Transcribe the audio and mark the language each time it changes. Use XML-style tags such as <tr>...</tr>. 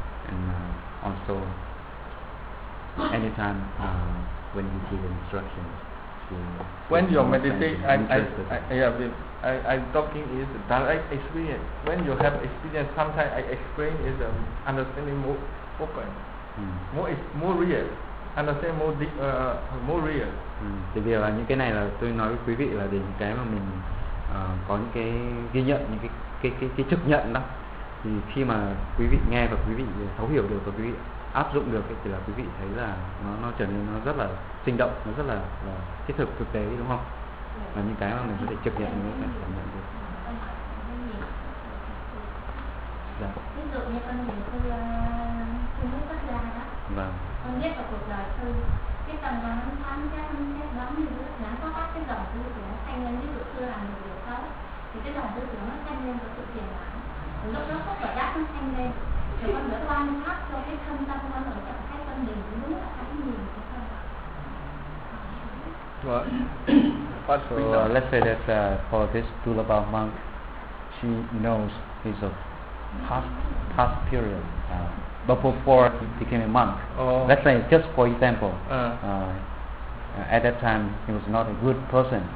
<en>And also, anytime when you give instructions, she... When your meditation, I'm talking is direct experience. When you have experience, sometimes I explain is understanding more open, more real, understand more deep, more real.</en> <vi>Thì bây giờ là những cái này là tôi nói với quý vị là để những cái mà mình có những cái ghi nhận, những cái chấp nhận đó. Thì khi mà quý vị nghe và quý vị thấu hiểu được và quý vị áp dụng được thì là quý vị thấy là nó trở nên nó rất là sinh động, nó rất là thiết thực, thực tế, đúng không? Là những cái mà mình có thể chấp nhận, mình có thể cảm nhận được. Dạ. Ví dụ như con nhìn sư Trung Quốc xuất gia đó. Vâng. Con biết vào cuộc đời sư, cái tâm con nó thoáng chắc, nó chắc đó, như nó có các cái dòng tư tưởng nó thanh lên, ví dụ sư làm được việc xấu, thì cái dòng tư tưởng nó thanh lên và sự thiền lặng. Lúc đó sắc và giác nó thanh lên, rồi con mới quan sát cho cái thân tâm con ở trạng thái tâm điểm đúng là cái nhìn của con. Vâng.</vi> <en>So let's say that for this Tulabha monk, she knows his past past period, but before he became a monk. Oh. Let's say, just for example, at that time he was not a good person,</en>